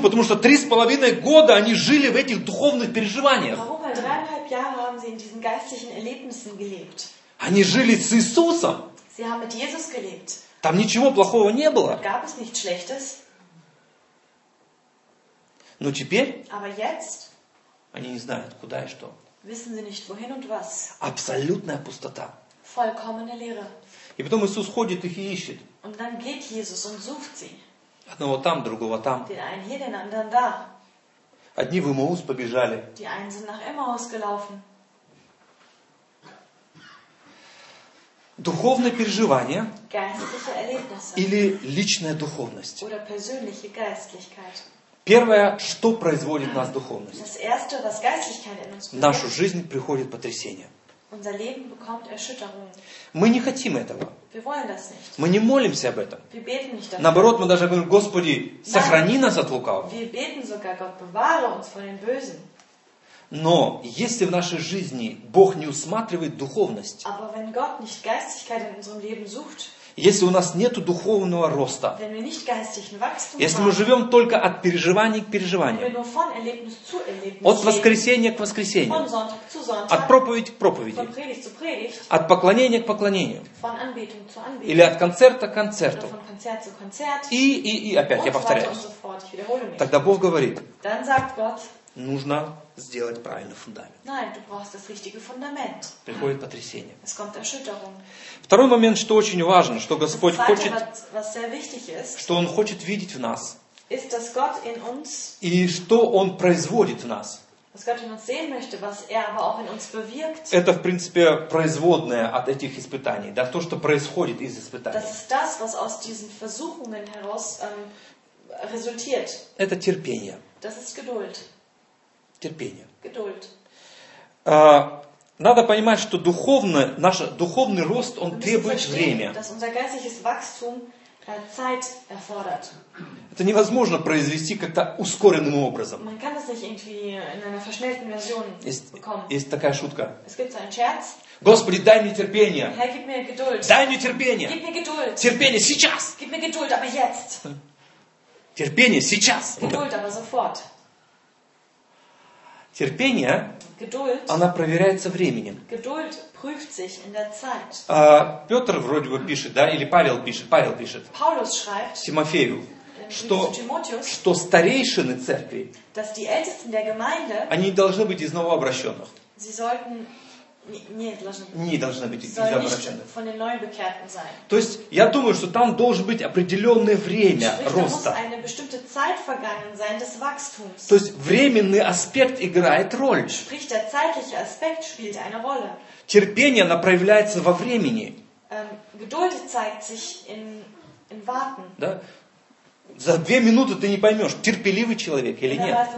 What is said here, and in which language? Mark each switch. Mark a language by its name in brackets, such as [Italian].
[Russian] Потому что 3,5 года они жили в этих духовных переживаниях. [German] Warum? Weil 3,5 Jahre haben sie in diesen geistlichen Erlebnissen gelebt. [Russian] Они жили с Иисусом. [German] Sie haben mit Jesus gelebt. [Russian] Там ничего плохого не было. [German] Dort gab es nichts Schlechtes. [Russian] Но теперь? [German] Aber jetzt? [Russian] Они не знают, куда и что. [German] Wissen sie nicht, wohin und was? [Russian] Абсолютная пустота. [German] Vollkommene Lehre. [Russian] И потом Иисус ходит их и ищет. [German] Und dann geht Jesus und sucht sie. [Russian] Одного там, другого там. [German] Den einen hier, den anderen da. [Russian] Одни в Эммаус побежали. [German] Die einen sind nach Emmaus gelaufen. [Russian] Духовное переживание [German] geistliche Erlebnisse. [Russian] Или личная духовность. [German] Oder persönliche Geistlichkeit. [Russian] Первое, что производит в нас духовность. [German] Das erste, was Geistlichkeit in uns bringt. [Russian] В нашу жизнь приходит потрясение. [German] Unser Leben bekommt Erschütterungen. [Russian] Мы не хотим этого. [German] Wir wollen das nicht. [Russian] Мы не молимся об этом. [German] Wir beten nicht dafür. [Russian] Наоборот, мы даже говорим, Господи, сохрани [German] Nein. [Russian] нас от лукавого. [German] Wir beten sogar, Gott, bewahre uns von den Bösen. [Russian] Но если в нашей жизни Бог не усматривает духовность, [German] Aber wenn Gott nicht Geistlichkeit in unserem Leben sucht, [Russian] если у нас нет духовного роста, [German] wenn wir nicht geistlichen Wachstum [Russian] если [German] haben, [Russian] мы живем только от переживания к переживанию, [German] wenn wir nur von Erlebnis zu Erlebnis [Russian] от воскресения к воскресению, [German] von Sonntag zu Sonntag, [Russian] от проповеди к проповеди, [German] von Predigt zu Predigt, [Russian] от поклонения к поклонению, [German] von Anbetung zu Anbetung, [Russian] или от концерта к концерту, [German] oder von Konzert zu Konzert, [Russian] и опять, [German] und [Russian] я повторяю, [German] weiter und so fort. Ich wiederhole mich. [Russian] Тогда Бог говорит, [German] Dann sagt Gott, [Russian] нужно сделать правильный фундамент. [German] Nein, du brauchst das richtige Fundament. [Russian] Приходит потрясение. [German] Es kommt Erschütterung. [Russian] Второй момент, что очень важно, что Господь [German] zweite, [Russian] хочет, [German] was sehr wichtig ist, [Russian] что Он хочет видеть в нас, [German] ist, dass Gott in uns, [Russian] и что Он производит в нас. [German] Was Gott in uns sehen möchte, was er aber auch in uns bewirkt. [Russian] Это, в принципе, производное от этих испытаний, да, то, что происходит из испытаний. [German] Das ist das, was aus diesen Versuchungen heraus resultiert. [Russian] Это терпение. [German] Das ist Geduld. [Russian] Терпение. [German] Geduld. [Russian] Надо понимать, что духовный, наш духовный рост, он требует время. [German] Dass unser geistliches Wachstum Zeit erfordert. [Russian] Это невозможно произвести как-то ускоренным образом. [German] Man kann das nicht irgendwie in einer verschnellten Version bekommen. [Russian] Есть такая шутка. [German] Es gibt so einen Scherz. [Russian] Господи, дай мне терпение. [German] Herr, gib mir Geduld. [Russian] Дай мне терпение. [German] Gib mir Geduld. [Russian] Терпение сейчас. [German] Gib mir Geduld, aber jetzt. [Russian] Терпение сейчас. [German] Geduld, aber sofort. [Russian] Терпение, [German] Geduld, [Russian] она проверяется временем. [German] Geduld prüft sich in der Zeit. [Russian] Петр вроде бы пишет, да, или Павел пишет, Павел пишет. [German] Paulus schreibt, [Russian] Тимофею, что, [German] Timotheus, [Russian] что старейшины церкви, [German] dass die Ältesten der Gemeinde, [Russian] они не должны быть из новообращенных. [German] Sie sollten, [Russian] не должны быть из новообращенных. [German] Von den Neubekehrten sein. [Russian] То есть, я думаю, что там должен быть определенное время [German] Sprich, [Russian] роста. [German] Muss eine bestimmte Zeit vergangen sein des Wachstums. [Russian] То есть, временный аспект играет роль. [German] Sprich, der zeitliche Aspekt spielt eine Rolle. [Russian] Терпение, оно проявляется во времени. [German] Geduld zeigt sich in Warten. [Russian] Да? За две минуты ты не поймешь, терпеливый человек или нет.